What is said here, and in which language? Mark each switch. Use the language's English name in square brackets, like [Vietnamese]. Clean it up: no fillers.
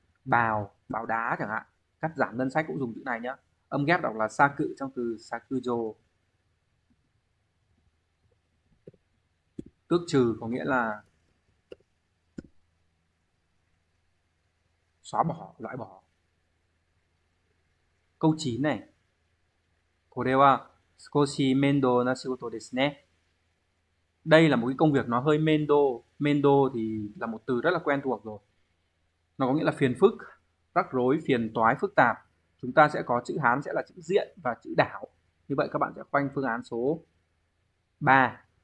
[Vietnamese] bào bào đá chẳng hạn, cắt giảm ngân sách cũng dùng chữ này nhá, âm ghép đọc là sa cự trong từ sacujo. Tước trừ có nghĩa là xóa bỏ, loại bỏ. Câu 9 này. [Japanese] これは少し面倒な仕事ですね。 [Vietnamese] Đây là một cái công việc nó hơi mendo. Mendo thì là một từ rất là quen thuộc rồi. Nó có nghĩa là phiền phức, rắc rối, phiền toái, phức tạp. Chúng ta sẽ có chữ Hán sẽ là chữ diện và chữ đảo. Như vậy các bạn sẽ khoanh phương án số 3.